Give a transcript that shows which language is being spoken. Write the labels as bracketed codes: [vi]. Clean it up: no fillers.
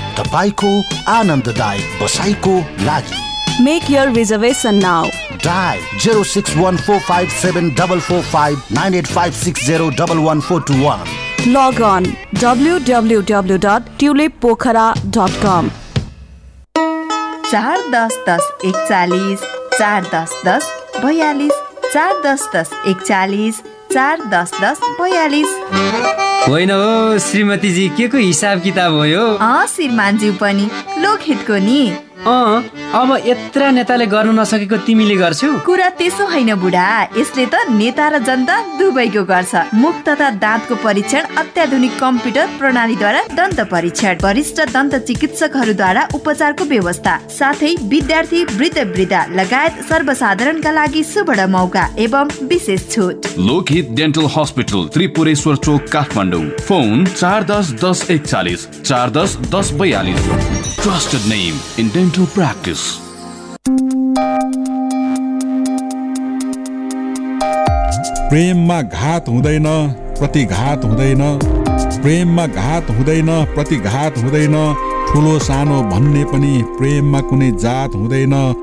[ne] तपाईको आनन्ददायक बसाइको लागि [en] make your reservation now dial 0614574589856011421 log on www.tulippokhara.com [ne] चार दस दस एकचालिस, चार दस दस बयालिस, चार दस दस एकचालिस, चार दस दस बयालिस। होइन हो श्रीमती जी, के को हिसाब किताब हो यो? श्रीमान जी पनि लोकहितको नि। अब यत्र नेताले गर्न नसकेको तिमीले गर्छौ? कुरा त्यसो होइन बुढा, यसले त नेता र जनता दुवैको गर्छ। मुख तथा दाँतको परीक्षण अत्याधुनिक कम्प्युटर प्रणालीद्वारा, दन्त परीक्षण वरिष्ठ दन्त चिकित्सकहरूद्वारा, उपचारको व्यवस्था, साथै विद्यार्थी वृद्ध वृद्धा लगायत सर्वसाधारणका लागि सुवर्ण मौका एवं विशेष छुट। लोकहित dental hospital, Tripureshwor Chowk, Kathmandu. Phone 4101041 4101042। [en] Trusted name in dental practice. [ne] प्रेम मा घात हुँदैन, प्रतिघात हुँदैन। प्रेम मा घात हुँदैन, प्रतिघात हुँदैन। ठुलो सानो भन्ने पनि प्रेम मा कुनै जात हुँदैन।